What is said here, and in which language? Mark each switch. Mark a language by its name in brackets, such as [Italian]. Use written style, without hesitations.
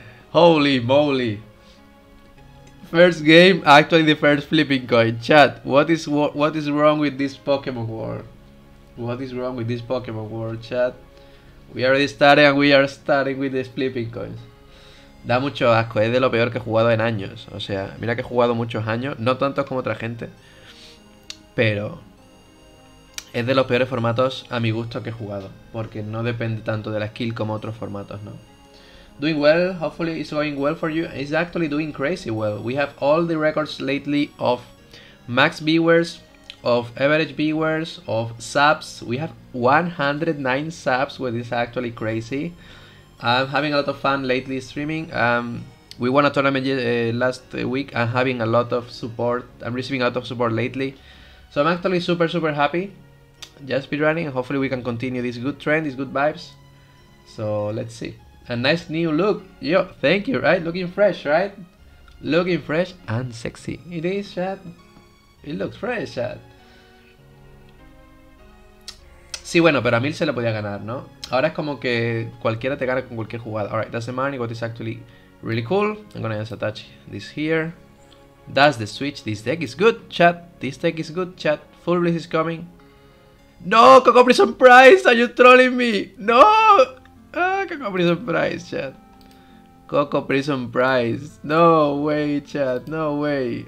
[English] Holy moly. First game, actually the first flipping coin. Chat, what is wrong with this Pokémon world? What is wrong with this Pokémon world, chat? We already started and we are starting with the flipping coins. [Spanish] Da mucho asco, es de lo peor que he jugado en años. O sea, mira que he jugado muchos años, no tantos como otra gente, pero es de los peores formatos a mi gusto que he jugado, porque no depende tanto de la skill como otros formatos, ¿no? [English] Doing well, hopefully it's going well for you. It's actually doing crazy well. We have all the records lately of max viewers, of average viewers, of subs. We have 109 subs, which is actually crazy. I'm having a lot of fun lately streaming. We won a tournament last week. I'm having a lot of support. I'm receiving a lot of support lately. So I'm actually super, super happy. Just be running. Hopefully we can continue this good trend, these good vibes. So let's see. A nice new look. Yo, thank you, right? Looking fresh, right? Looking fresh and sexy. It is, chat. It looks fresh, chat. [Spanish] Sí, bueno, pero a Mil se le podía ganar, ¿no? Ahora es como que cualquiera te gana con cualquier jugada. [English] Alright, that's the money, what is actually really cool. I'm gonna just attach this here. That's the switch, this deck is good, chat. This deck is good, chat. Full release is coming. No, Coco Prison Prize, are you trolling me? No, ah, Coco Prison Prize, chat. Coco Prison Prize, no way, chat, no way.